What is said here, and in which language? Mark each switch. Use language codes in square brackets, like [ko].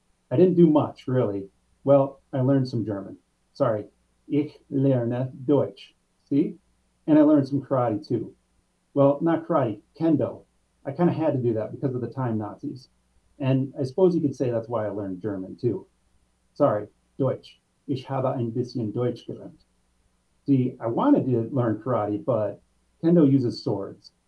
[en] I didn't do much, really. Well, I learned some German. Sorry. [de] Ich lerne Deutsch. [en] See? And I learned some karate, too. Well, not karate. Kendo. I kind of had to do that because of the time Nazis. And I suppose you could say that's why I learned German, too. Sorry, Deutsch. [de] Ich habe ein bisschen Deutsch gelernt. [en] See, I wanted to learn karate, but Kendo uses swords.